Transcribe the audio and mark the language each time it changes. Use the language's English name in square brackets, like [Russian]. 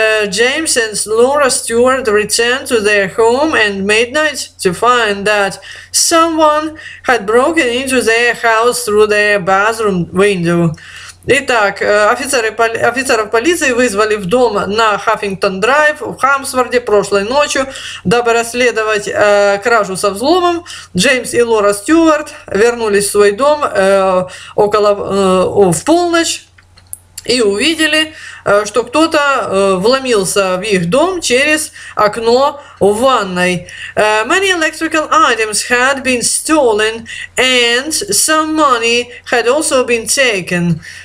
[English] James and Laura Stewart returned to their home at midnight to find that someone had broken into their house through their bathroom window. [Russian] Итак, офицеров полиции вызвали в дом на Huffington Drive в Хемсворде прошлой ночью, дабы расследовать кражу со взломом. Джеймс и Лора Стюарт вернулись в свой дом в полночь и увидели, что кто-то вломился в их дом через окно в ванной. [English] Many electrical items had been stolen and some money had also been taken.